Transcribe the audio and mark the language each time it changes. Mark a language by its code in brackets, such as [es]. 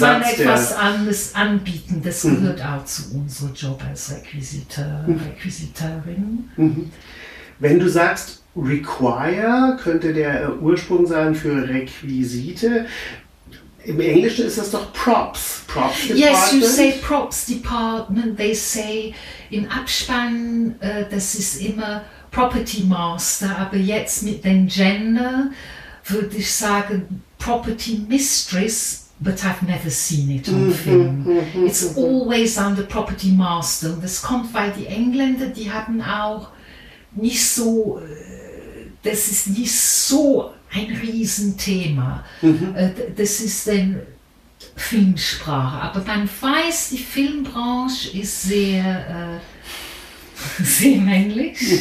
[de] Da muss man etwas anderes anbieten. Das gehört auch zu unserem Job als Requisiteurin. Wenn du sagst, require könnte der Ursprung sein für Requisite. Im Englischen ist das doch Props. [en] Props Department. Yes, you say Props Department. They say [de] im Abspann, das ist immer Property Master. Aber jetzt mit dem Gender würde ich sagen Property Mistress, [en] but I've never seen it on film. It's always under Property Master. [de] Das kommt, weil die Engländer, die hatten auch nicht so, das ist nicht so ein Riesenthema. Das ist denn Filmsprache. Aber man weiß, die Filmbranche ist sehr, sehr männlich.